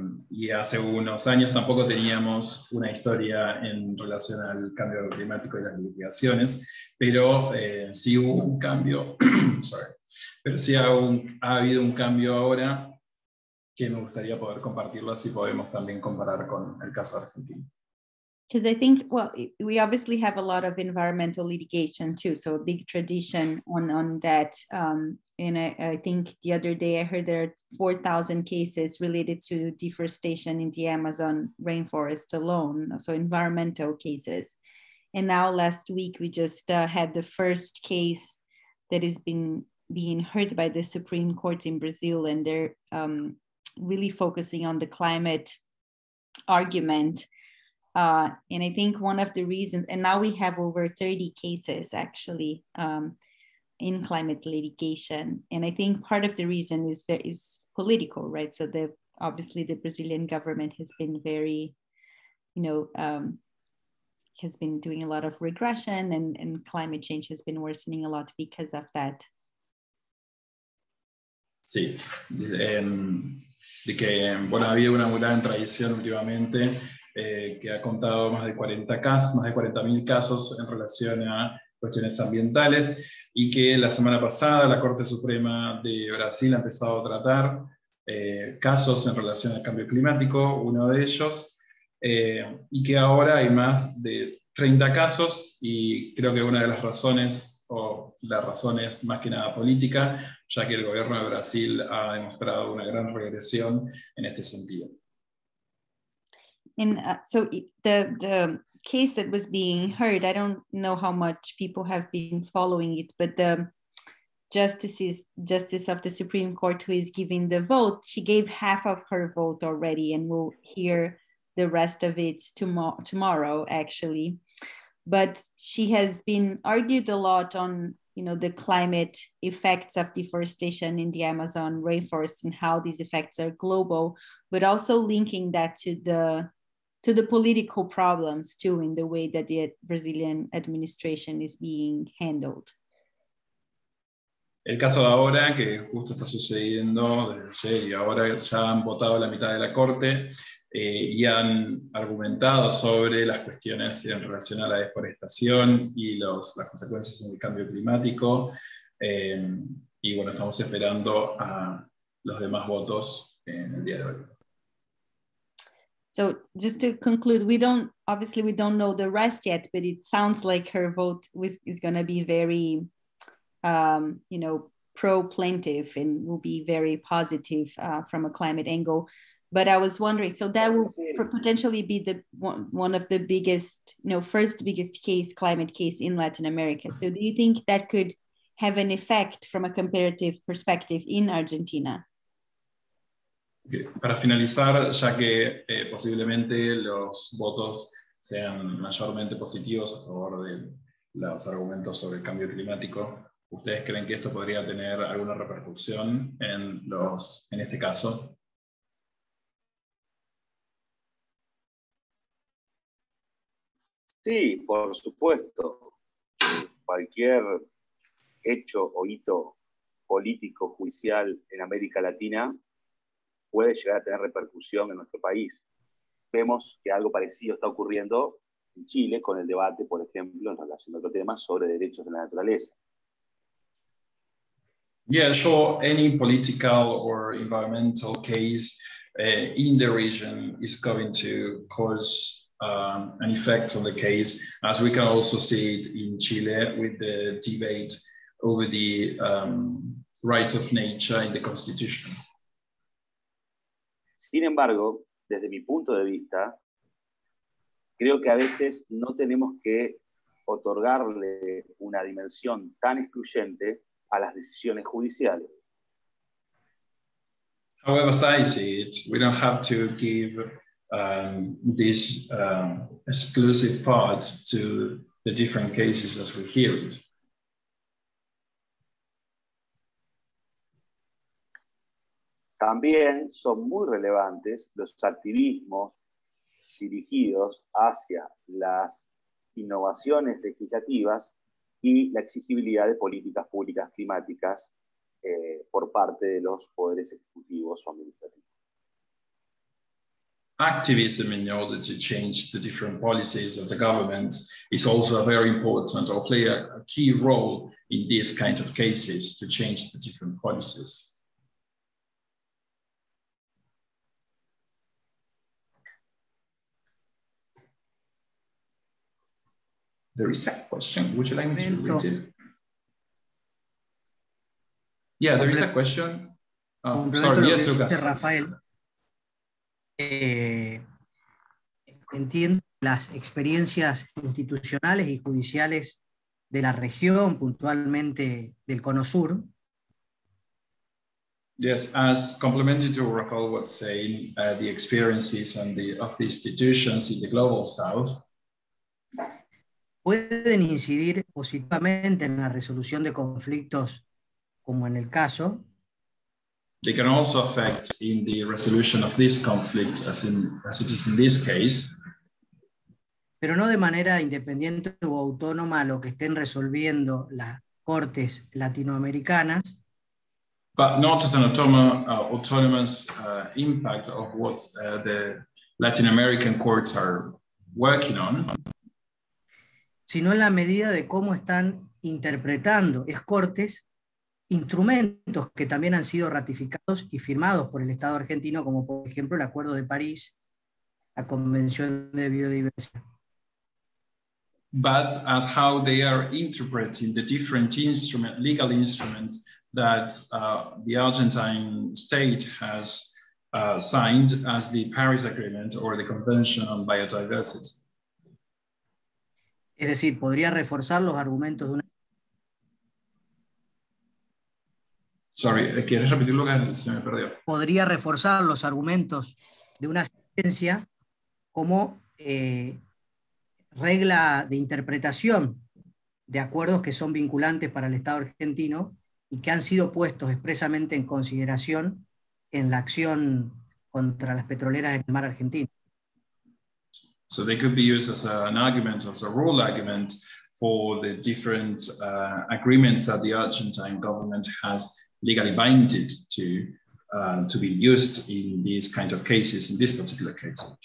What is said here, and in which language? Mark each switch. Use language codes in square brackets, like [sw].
[es] Y hace unos años tampoco teníamos una historia en relación al cambio climático y las litigaciones, pero sí hubo un cambio, [en] sorry, [es] pero sí ha habido un cambio ahora que me gustaría poder compartirlo así podemos también comparar con el caso argentino. [en] Because I think, well, we obviously have a lot of environmental litigation too, so a big tradition on that. And I think the other day I heard there are 4,000 cases related to deforestation in the Amazon rainforest alone, so environmental cases. And now last week we just had the first case that has been being heard by the Supreme Court in Brazil, and they're really focusing on the climate argument. And I think one of the reasons, and now we have over 30 cases actually in climate litigation. And I think part of the reason is there is political, right? So obviously the Brazilian government has been very, you know, has been doing a lot of regression and climate change has been worsening a lot because of that. [es] Sí. De que, bueno, había una gran tradición últimamente. Que ha contado más de 40 casos, más de 40.000 casos en relación a cuestiones ambientales y que la semana pasada la Corte Suprema de Brasil ha empezado a tratar casos en relación al cambio climático, uno de ellos, y que ahora hay más de 30 casos y creo que una de las razones, o la razón es más que nada política, ya que el gobierno de Brasil ha demostrado una gran regresión en este sentido. [en] And so the case that was being heard, I don't know how much people have been following it, but the justice of the Supreme Court who is giving the vote, she gave half of her vote already and we'll hear the rest of it tomorrow actually. But she has been argued a lot on, you know, the climate effects of deforestation in the Amazon rainforest and how these effects are global, but also linking that to the political problems too in the way that the Brazilian administration is being handled. [es] El caso de ahora, que justo está sucediendo, y ahora ya han votado la mitad de la corte y han argumentado sobre las cuestiones en relación a la deforestación y las consecuencias del cambio climático. Y bueno, estamos esperando a los demás votos en el día de hoy. [en] So just to conclude, we don't know the rest yet, but it sounds like her vote is going to be very, you know, pro-plaintiff and will be very positive from a climate angle. But I was wondering, so that will potentially be the one of the biggest, you know, first biggest case, climate case in Latin America. So do you think that could have an effect from a comparative perspective in Argentina? [es] Para finalizar, ya que posiblemente los votos sean mayormente positivos a favor de los argumentos sobre el cambio climático, ¿ustedes creen que esto podría tener alguna repercusión en los, en este caso? Sí, por supuesto. Cualquier hecho o hito político, judicial en América Latina puede llegar a tener repercusión en nuestro país. Vemos que algo parecido está ocurriendo en Chile con el debate, por ejemplo, en relación a otro tema sobre derechos de la naturaleza. [en] Yeah, sure. Any political or environmental case in the region is going to cause an effect on the case, as we can also see it in Chile with the debate over the rights of nature in the constitution. [es] Sin embargo, desde mi punto de vista, creo que a veces no tenemos que otorgarle una dimensión tan excluyente a las decisiones judiciales. [en] However, as I see it, we don't have to give this exclusive part to the different cases as we hear it. [es] También son muy relevantes los activismos dirigidos hacia las innovaciones legislativas y la exigibilidad de políticas públicas climáticas por parte de los poderes ejecutivos o administrativos. [en] Activism in order to change the different policies of the government is also a very important or play a key role in these kinds of cases to change the different policies. There is a question. Would you like me to read it? Yeah, there is a question. Sorry, yes, Lucas. [es] Rafael, entiendo las experiencias institucionales y judiciales de la región, puntualmente del Cono Sur. [en] Yes, as complementary to Rafael was saying, the experiences and of the institutions in the Global South. [es] ¿Pueden incidir positivamente en la resolución de conflictos como en el caso? [en] They can also affect in the resolution of this conflict as it is in this case. [es] Pero no de manera independiente o autónoma a lo que estén resolviendo las cortes latinoamericanas. [en] But not as an autonomous impact of what the Latin American courts are working on. [es] Sino en la medida de cómo están interpretando es cortes instrumentos que también han sido ratificados y firmados por el Estado argentino, como por ejemplo el Acuerdo de París, la Convención de Biodiversidad. [en] But as how they are interpreting the different legal instruments that the Argentine state has signed, as the Paris Agreement or the Convention on Biodiversity. [es] Es decir, podría reforzar los argumentos de una. [en] Sorry, [es] ¿quieres repetirlo? Se me perdió. Podría reforzar los argumentos de una sentencia como regla de interpretación de acuerdos que son vinculantes para el Estado argentino y que han sido puestos expresamente en consideración en la acción contra las petroleras en el mar argentino. [en] So they could be used as an argument, as a rule argument for the different agreements that the Argentine government has legally binded to be used in these kind of cases, in this particular case.